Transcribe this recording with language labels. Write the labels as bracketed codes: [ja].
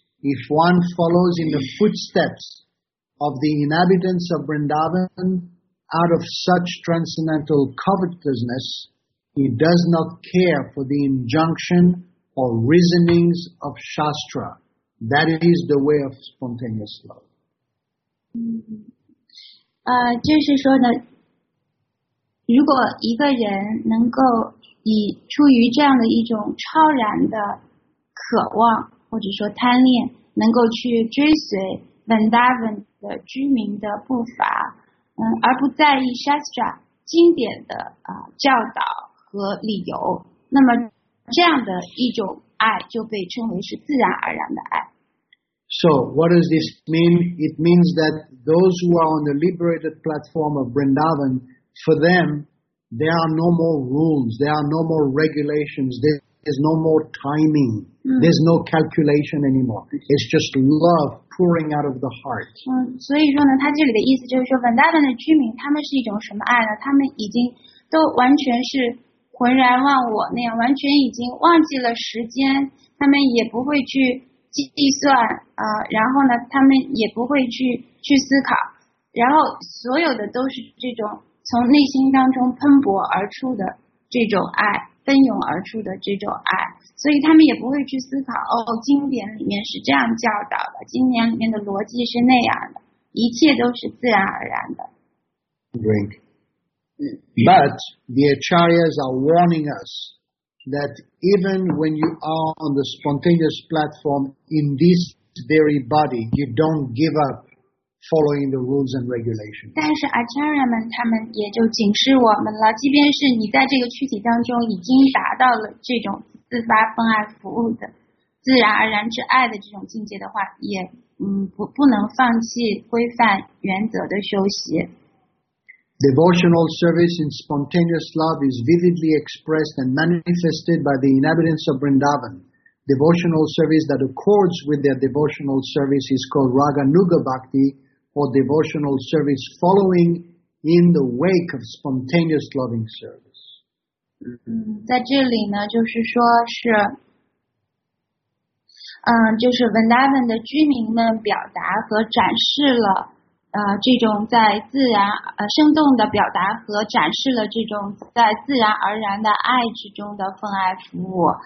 [en] If one follows in the footsteps of the inhabitants of Vrindavan out of such transcendental covetousness, he does not care for the injunction or reasonings of shastra. That is the way of spontaneous love. [zh] 就是说呢，如果一个人能够以出于这样的一种超然的渴望或者说贪恋，能够去追随 Vrindavan 的居民的步伐，而不在意 Shastra 经典的教导和理由，那么这样的一种爱就被称为是自然而然的爱。 [en] So, what does this mean? It means that those who are on the liberated platform of Vrindavan, for them, there are no more rules, there are no more regulations, there's no more timing, there's no calculation anymore. It's just love pouring out of the heart. [zh] 所以说呢，他这里的意思就是说 ，Vrindavan 的居民他们是一种什么爱呢？他们已经都完全是浑然忘我那样，完全已经忘记了时间，他们也不会去计算然后呢他们也不会去思考，然后所有的都是这种从内心当中喷薄而出的这种爱，奔涌而出的这种爱，所以他们也不会去思考，哦，经典里面是这样教导的，经典里面的逻辑是那样的，一切都是自然而然的。 [en] But the acharyas are warning us that even when you are on the spontaneous platform in this very body, you don't give up following the rules and regulations. [zh] 但是 Acharya 们他们也就警示我们了，即便是你在这个躯体当中已经达到了这种自发奉爱服务的自然而然之爱的这种境界的话，也不能放弃规范原则的修习。 [en] Devotional service in spontaneous love is vividly expressed and manifested by the inhabitants of Vrindavan. Devotional service that accords with their devotional service is called Raga Nuga Bhakti, or devotional service following in the wake of spontaneous loving service. [zh] 在这里呢，就是说是，就是 Vrindavan 的居民们表达和展示了这种在自然生动的表达和展示了这种在自然而然的爱之中的奉爱服务，